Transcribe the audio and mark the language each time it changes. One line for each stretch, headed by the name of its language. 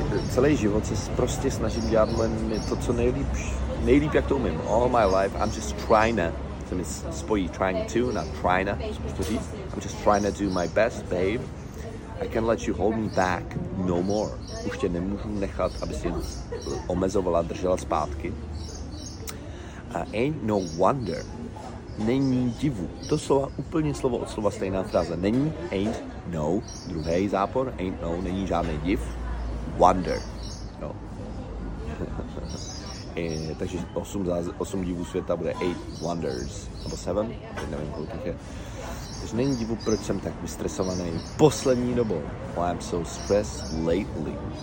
Czech: Celý život se prostě snažím dělat to, co nejlepší. Nejlíp, jak to umím.
English: All my life, I'm just trying to,
Czech: se mi spojí
English: trying to, not trying to, I'm just trying to do my best, babe. I can't let you hold me back no more.
Czech: Už tě nemůžu nechat, aby si omezovala, držela zpátky.
English: Ain't no wonder.
Czech: Není divu. To slova, úplně slovo od slova stejná fráze. Není, ain't, no. Druhý zápor, ain't, no. Není žádný div. Wonder. No. Takže 8 divů světa bude 8 wonders, nebo 7, nevím, kolik je. Takže není divu, proč jsem tak vystresovaný poslední dobou.
English: Why I'm so stressed lately.